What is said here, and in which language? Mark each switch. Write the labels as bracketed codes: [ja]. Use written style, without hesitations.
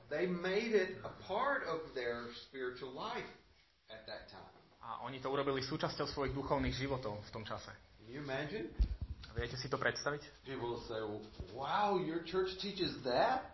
[en] They made it a part of their spiritual life at that time. [sk] A oni to urobili súčasťou svojich duchovných životov v tom čase. [en] Can you imagine? [sk] Viete si to predstaviť? [en] People say, wow, your church teaches that?